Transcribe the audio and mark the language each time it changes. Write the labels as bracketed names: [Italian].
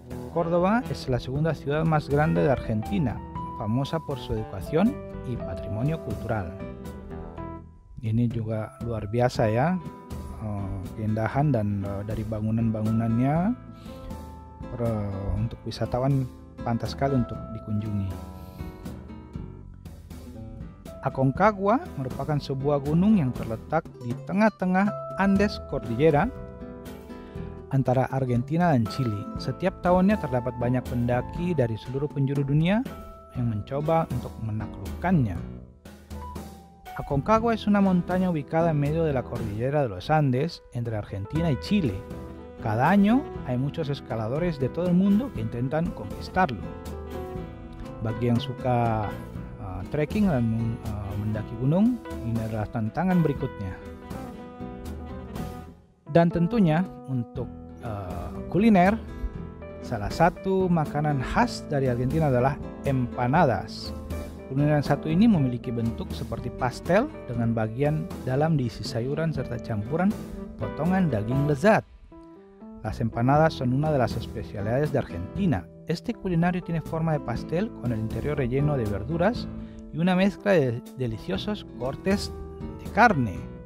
[Spanish] Córdoba es la segunda ciudad más grande de Argentina, famosa por su educación y patrimonio cultural. [Indonesian] Ini juga luar biasa ya, keindahan dan dari bangunan-bangunannya untuk wisatawan pantas sekali untuk dikunjungi. Aconcagua merupakan sebuah gunung yang terletak di tengah-tengah Andes Cordillera antara Argentina dan Chile. Setiap tahunnya terdapat banyak pendaki dari seluruh penjuru dunia yang mencoba untuk menaklukkannya. [Spanish] Aconcagua es una montaña ubicada en medio de la cordillera de los Andes entre Argentina y Chile. Cada año hay muchos escaladores de todo el mundo que intentan conquistarlo. [Indonesian] Bagi yang suka trekking dan mendaki gunung, ini adalah tantangan berikutnya. Dan tentunya untuk kuliner, salah satu makanan khas dari Argentina adalah empanadas. Kuliner satu ini memiliki bentuk seperti pastel dengan bagian dalam diisi sayuran serta campuran potongan daging lezat. [Spanish] Las empanadas son una de las especialidades de Argentina. Este culinario tiene forma de pastel con el interior relleno de verduras y una mezcla de deliciosos cortes de carne.